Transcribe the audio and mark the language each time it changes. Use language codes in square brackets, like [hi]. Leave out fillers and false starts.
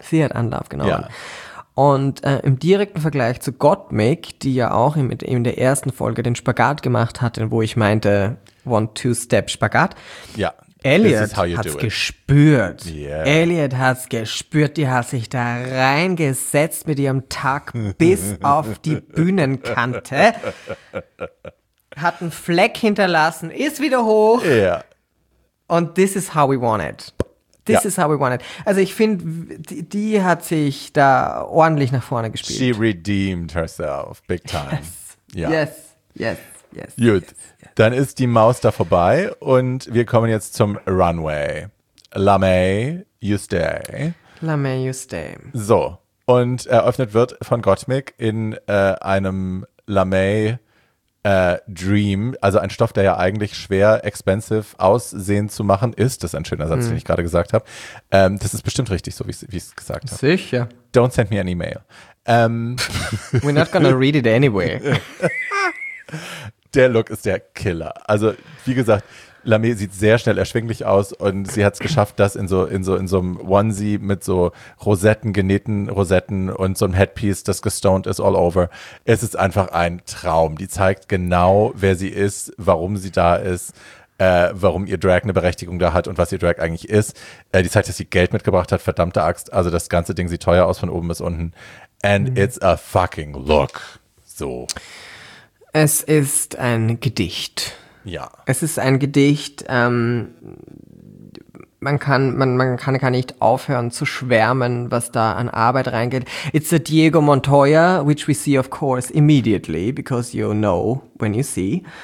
[de] Sie hat Anlauf genommen. Ja. Und im direkten Vergleich zu Gottmik, die ja auch in der ersten Folge den Spagat gemacht hatte, wo ich meinte, One-Two-Step-Spagat. Ja. Elliot hat's gespürt. Yeah. Elliot hat's gespürt. Die hat sich da reingesetzt mit ihrem Tag bis auf die Bühnenkante. Hat einen Fleck hinterlassen, ist wieder hoch. Ja. Yeah. [en] Und this is how we want it. This is how we want it. [de] Also ich finde, die hat sich da ordentlich nach vorne gespielt. [en] She redeemed herself big time. Yes, yeah. Yes, yes, yes. [de] Gut, [en] yes, yes. [de] Dann ist die Maus da vorbei und wir kommen jetzt zum Runway. [en] La May, you stay. La May, you stay. [de] So, und eröffnet wird von Gottmik in einem La May Dream, also ein Stoff, der ja eigentlich schwer expensive aussehen zu machen ist. Das ist ein schöner Satz, den ich gerade gesagt habe. Das ist bestimmt richtig, so wie ich es gesagt habe. Sicher. [en] Don't send me an email. We're not gonna read it anyway. [de] Der Look ist der Killer. Also, wie gesagt, Lamé sieht sehr schnell erschwinglich aus und sie hat es geschafft, das in so einem Onesie mit so Rosetten, genähten Rosetten und so einem Headpiece, das gestoned ist [en] all over. [de] Es ist einfach ein Traum. Die zeigt genau, wer sie ist, warum sie da ist, warum ihr Drag eine Berechtigung da hat und was ihr Drag eigentlich ist. Die zeigt, dass sie Geld mitgebracht hat, verdammte Axt. Also das ganze Ding sieht teuer aus von oben bis unten. [en] And it's a fucking look. So. [de] Es ist ein Gedicht. Ja. Es ist ein Gedicht, man kann gar nicht aufhören zu schwärmen, was da an Arbeit reingeht. [en] It's a Diego Montoya, which we see of course immediately, because you know when you see.